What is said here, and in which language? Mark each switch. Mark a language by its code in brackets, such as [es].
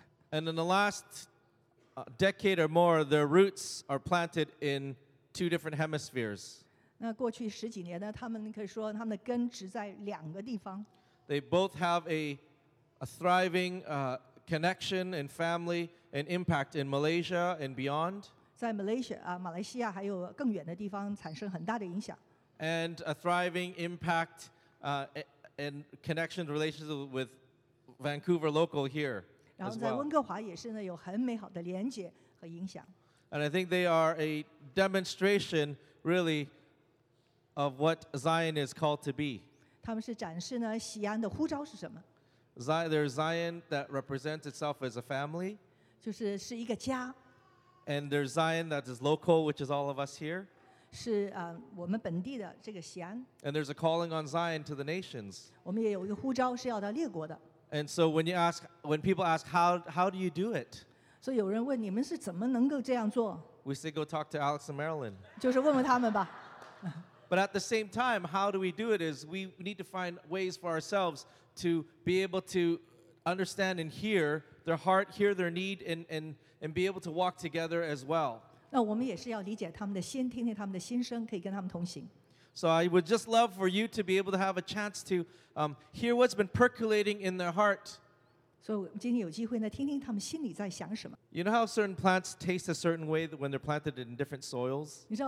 [en] And in the last decade or more, their roots are planted in two different hemispheres. [zh] 那过去十几年呢，他们可以说他们的根植在两个地方。 [en] They both have a thriving connection and family and impact in Malaysia and beyond. [zh] 在马来西亚还有更远的地方产生很大的影响。 [en] And a thriving impact and connection relations with Vancouver local here. [zh] 然后在温哥华也是呢有很美好的连接和影响。 [en] And I think they are a demonstration really of what Zion is called to be. [zh] 他们是展示呢锡安的呼召是什么。 [en] There's Zion that represents itself as a family. [zh] 就是一个家。 [en] And there's Zion that is local, which is all of us here. [zh] 是我们本地的这个锡安。 [en] And there's a calling on Zion to the nations. [zh] 我们也有一个呼召是要到列国的。 [en] And so when you ask, when people ask, how do you do it? [zh] 所以有人问你们是怎么能够这样做？ [en] We say go talk to Alex and Marilyn. [zh] 就是问问他们吧。 [en] But at the same time, how do we do it is we need to find ways for ourselves to be able to understand and hear their heart, hear their need, and be able to walk together as well. [zh] 那我们也是要理解他们的心，听听他们的心声，可以跟他们同行。 [en] So I would just love for you to be able to have a chance to hear what's been percolating in their heart. [zh] 所以今天有机会呢，听听他们心里在想什么。 [en] You know how certain plants taste a certain way when they're planted in different soils?